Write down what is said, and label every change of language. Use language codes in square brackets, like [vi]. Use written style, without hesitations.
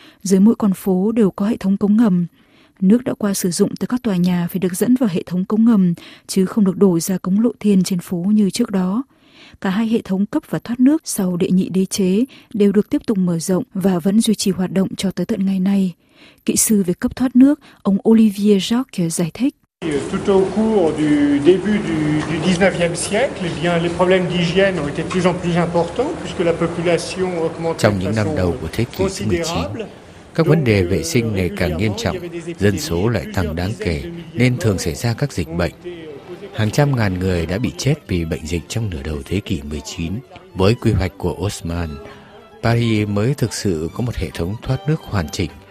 [vi] Dưới mỗi con phố đều có hệ thống cống ngầm. Nước đã qua sử dụng từ các tòa nhà phải được dẫn vào hệ thống cống ngầm, chứ không được đổ ra cống lộ thiên trên phố như trước đó. Cả hai hệ thống cấp và thoát nước sau đệ nhị đế chế đều được tiếp tục mở rộng và vẫn duy trì hoạt động cho tới tận ngày nay. Kỹ sư về cấp thoát nước, ông Olivier Jacques giải thích. [fr] Tout au cours du début du 19e siècle, bien les problèmes d'hygiène ont été de plus en plus importants puisque la population augmentait. [vi] Trong những năm đầu của thế kỷ 19, các vấn đề vệ sinh ngày càng nghiêm trọng, dân số lại tăng đáng kể nên thường xảy ra các dịch bệnh. Hàng trăm ngàn người đã bị chết vì bệnh dịch trong nửa đầu thế kỷ 19. Với quy hoạch của Haussmann, Paris mới thực sự có một hệ thống thoát nước hoàn chỉnh.